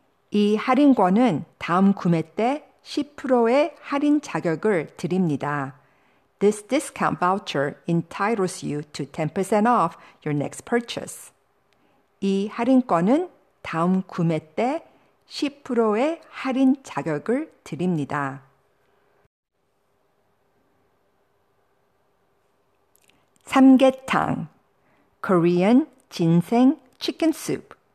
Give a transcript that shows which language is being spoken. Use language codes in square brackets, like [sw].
[ko] 이 할인권은 다음 구매 때 10%의 할인 자격을 드립니다. [en] This discount voucher entitles you to 10% off your next purchase. [ko] 이 할인권은 다음 구매 때 10%의 할인 자격을 드립니다. [en] 삼계탕, Korean 진생 chicken soup.